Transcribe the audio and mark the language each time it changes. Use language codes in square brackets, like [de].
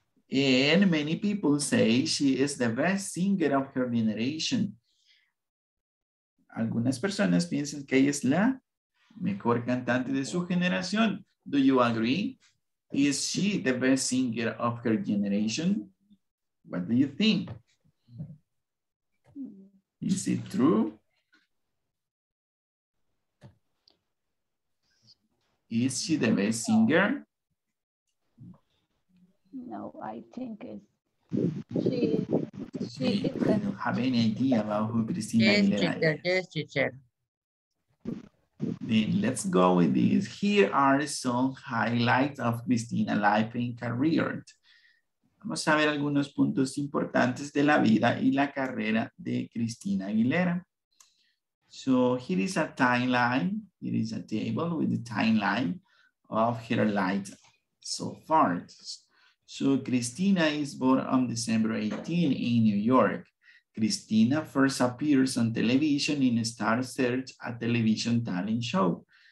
[en] And many people say she is the best singer of her generation. [es] Algunas personas piensan que ella es la mejor cantante de su generación. [en] Do you agree? Is she the best singer of her generation? What do you think? Is it true? Is she the best singer? No, I think it's she. I don't have any idea about who Christina is. Yes, teacher. Then let's go with this. Here are some highlights of Christina's life and career. [es] Vamos a ver algunos puntos importantes de la vida y la carrera de Christina Aguilera. [en] So here is a timeline. Here is a table with the timeline of her life so far. So Christina is born on December 18 in New York. Christina first appears on television in Star Search, a television talent show.